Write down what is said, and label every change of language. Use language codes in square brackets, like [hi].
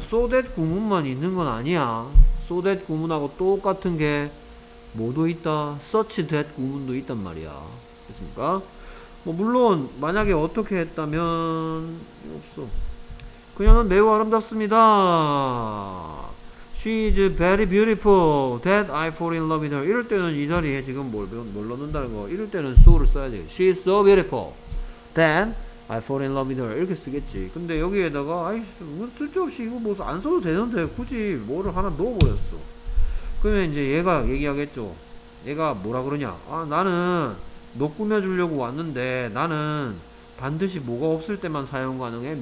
[en] So that [ko] 구문만 있는 건 아니야. So that 구문하고 똑같은 게 뭐도 있다. [en] Such that [ko] 구문도 있단 말이야. 됐습니까? 뭐 물론 만약에 어떻게 했다면 없어. 그녀는 매우 아름답습니다. [en] She is very beautiful that I fall in love with her. [ko] 이럴 때는 이 자리에 지금 뭘 넣는다는 거. 이럴 때는 so를 써야지. [en] She is so beautiful that I fall in love with her. [ko] 이렇게 쓰겠지. 근데 여기에다가 아이씨 쓸데없이 이거 뭐 안 써도 되는데 굳이 뭐를 하나 넣어버렸어. 그러면 이제 얘가 얘기하겠죠. 얘가 뭐라 그러냐. 아 나는 너 꾸며주려고 왔는데 나는 반드시 뭐가 없을 때만 사용 가능해?